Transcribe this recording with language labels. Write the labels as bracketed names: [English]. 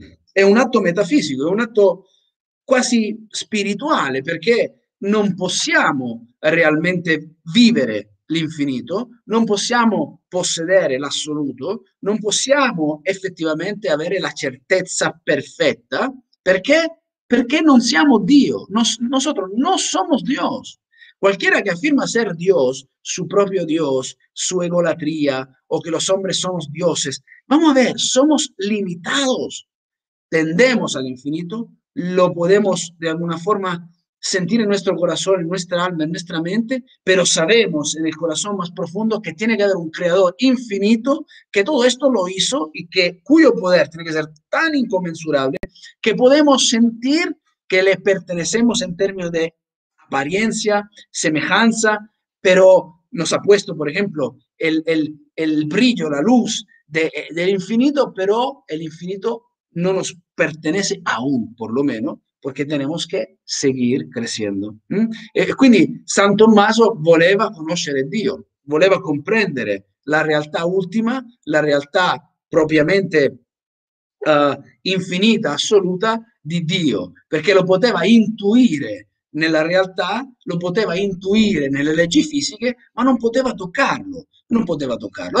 [Italian] è un atto metafisico, è un atto quasi spirituale, perché non possiamo realmente vivere l'infinito, non possiamo possedere l'assoluto, non possiamo effettivamente avere la certezza perfetta, perché non siamo Dio, [Spanish] nosotros no somos Dios. Cualquiera que afirma ser Dios, su propio Dios, su egolatría, o que los hombres somos dioses, vamos a ver, somos limitados, tendemos al infinito, lo podemos de alguna forma sentir en nuestro corazón, en nuestra alma, en nuestra mente, pero sabemos en el corazón más profundo que tiene que haber un creador infinito que todo esto lo hizo y que cuyo poder tiene que ser tan inconmensurable que podemos sentir que le pertenecemos en términos de apariencia, semejanza, pero nos ha puesto, por ejemplo, el brillo, la luz del infinito, pero el infinito no nos pertenece aún, por lo menos, porque tenemos que seguir creciendo. [Italian] E quindi San Tommaso voleva conoscere Dio, voleva comprendere la realtà ultima, la realtà propriamente infinita, assoluta di Dio, perché lo poteva intuire. Nella realtà lo poteva intuire nelle leggi fisiche, ma non poteva toccarlo, non poteva toccarlo.